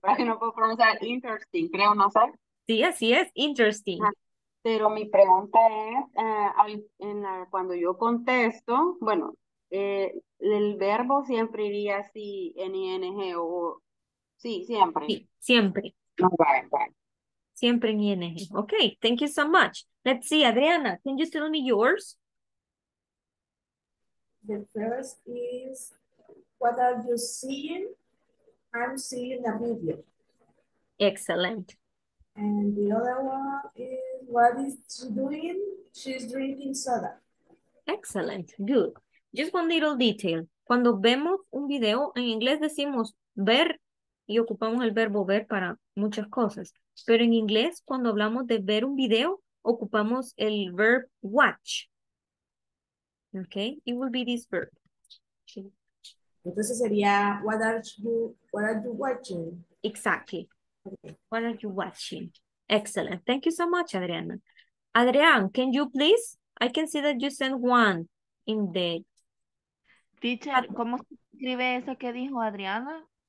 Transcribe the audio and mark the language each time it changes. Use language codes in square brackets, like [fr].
[es] Pero mi pregunta es, cuando yo contesto, bueno, el verbo siempre iría así, ing, o, sí, siempre. Sí, siempre. Siempre en ing. [en] Okay, thank you so much. Let's see, Adriana, can you tell me yours? The first is... What are you seeing? I'm seeing a video. Excellent. And the other one is, what is she doing? She's drinking soda. Excellent, good. Just one little detail. [es] Cuando vemos un video, en inglés decimos ver y ocupamos el verbo ver para muchas cosas. Pero en inglés, cuando hablamos de ver un video, ocupamos el verb watch. [en] Okay, it will be this verb. Entonces sería, what are you watching? Exactly. Okay. What are you watching? Excellent. Thank you so much, Adriana. Adrián, can you please? I can see that you sent one in the... [es] Teacher, ¿cómo se escribe eso que dijo Adriana?